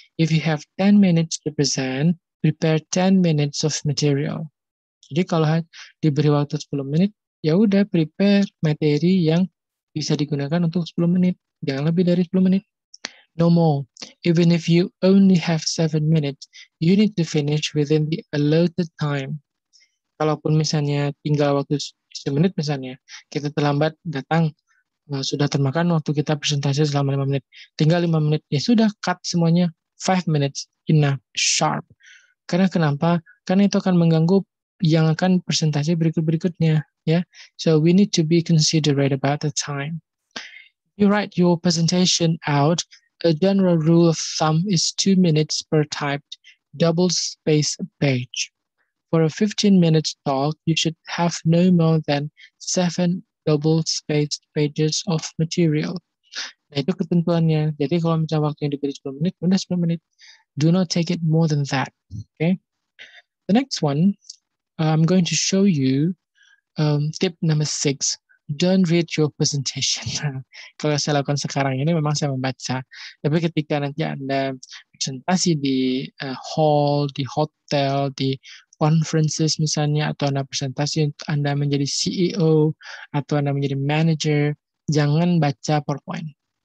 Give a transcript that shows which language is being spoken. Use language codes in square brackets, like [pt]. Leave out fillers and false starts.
[en] If you have 10 minutes to present, prepare 10 minutes of material. [id] Jadi kalau diberi waktu 10 menit, ya udah prepare materi yang bisa digunakan untuk 10 menit. Jangan lebih dari 10 menit. [en] No more. Even if you only have 7 minutes, you need to finish within the allotted time. [id] kalaupun misalnya tinggal waktu 1 menit misalnya, kita terlambat datang, sudah termakan waktu kita presentasi selama 5 menit, tinggal 5 menit, ya sudah cut semuanya, [en] 5 minutes, enough, sharp. [id] Karena kenapa? Karena itu akan mengganggu yang akan presentasi berikut-berikutnya, ya. [en] So we need to be considerate about the time. You write your presentation out, a general rule of thumb is 2 minutes per typed double space page. For a 15-minute talk, you should have no more than 7 double space pages of material. [id] Nah, itu ketentuannya. Jadi kalau misalnya waktu yang diberi 10 menit, udah 10 menit. [en] Do not take it more than that. Okay. The next one, I'm going to show you tip number 6. Don't read your presentation. [id] Kalau saya lakukan sekarang ini memang saya membaca. Tapi ketika nanti Anda presentasi di hall, di hotel, di conferences misalnya, atau Anda presentasi untuk Anda menjadi CEO, atau Anda menjadi manager, jangan baca PowerPoint.